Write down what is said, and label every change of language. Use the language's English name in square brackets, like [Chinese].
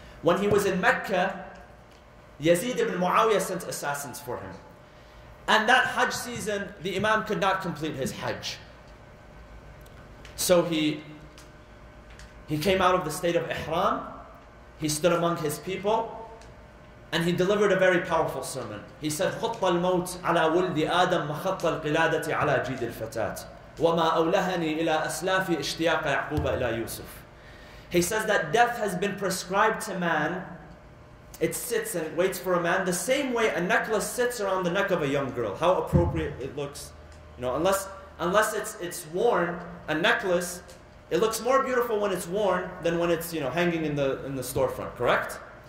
[English] When he was in Mecca, Yazid ibn Muawiyah sent assassins for him. And that Hajj season, the Imam could not complete his Hajj. So he came out of the state of Ihram, he stood among his people, and he delivered a very powerful sermon. He said, [Arabic] خط الموت على ولد آدم مخط القلادة على جيد الفتاة وما أولهني إلى أسلافي اشتياق يعقوب إلى يوسف. [English] He says that death has been prescribed to man. It sits and it waits for a man the same way a necklace sits around the neck of a young girl. How appropriate it looks. You know, unless it's worn, a necklace, it looks more beautiful when it's worn than when it's, you know, hanging in the storefront, correct?